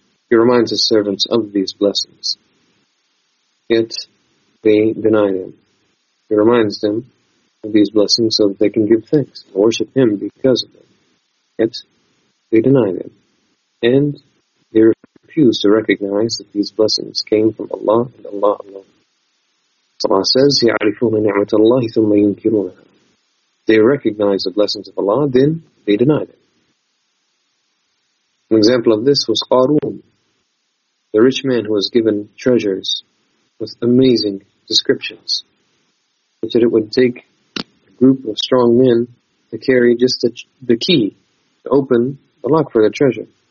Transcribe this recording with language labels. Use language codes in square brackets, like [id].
[en] He reminds His servants of these blessings, yet they deny them. He reminds them of these blessings so that they can give thanks and worship Him because of them, yet they deny them. And they refuse to recognize that these blessings came from Allah and Allah alone. Allah says, [ar] يَعْرِفُونَ نِعْمَةَ اللَّهِ ثُمَّ يُنْكِرُونَهَا. [en] They recognize the blessings of Allah, then they deny them. An example of this was Qarun, the rich man who was given treasures with amazing descriptions, which said it would take a group of strong men to carry just the key to open the lock for the treasure.